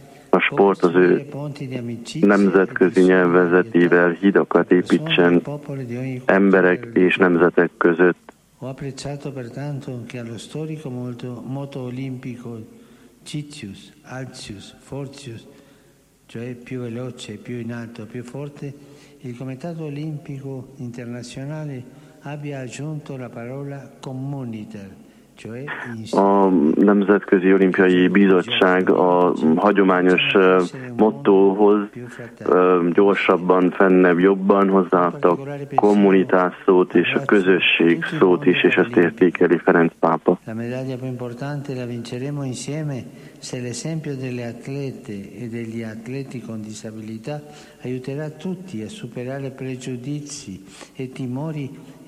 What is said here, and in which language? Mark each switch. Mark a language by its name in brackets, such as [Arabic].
[Hungarian] A sport az ő nemzetközi nyelvezetével hidakat építsen emberek és nemzetek között. [Italian] Ho apprezzato pertanto che allo storico moto olimpico Cizius, Alcius, Forcius, cioè più veloce, più in alto, più forte, il Comitato Olimpico Internazionale abbia aggiunto la parola communiter. [Hungarian] A Nemzetközi Olimpiai Bizottság a hagyományos mottóhoz gyorsabban, fennebb, jobban hozzáadta a kommunitás szót és a közösség szót is, és ezt értékeli Ferenc pápa. [Italian] La medaglia più importante la vinceremo insieme se l'esempio delle atlete e degli atleti con disabilità aiuterà tutti a superare pregiudizi e timori